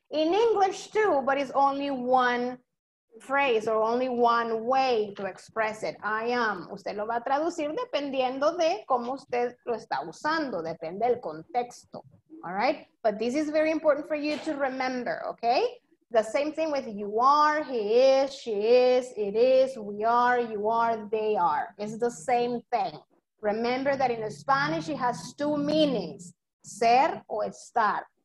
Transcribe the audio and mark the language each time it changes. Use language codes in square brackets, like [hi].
[en] In English too, but it's only one phrase or only one way to express it. I am. [es] Usted lo va a traducir dependiendo de cómo usted lo está usando. Depende del contexto, [en] all right? But this is very important for you to remember, okay? The same thing with you are, he is, she is, it is, we are, you are, they are. It's the same thing. Remember that in Spanish, it has two meanings, ser o estar.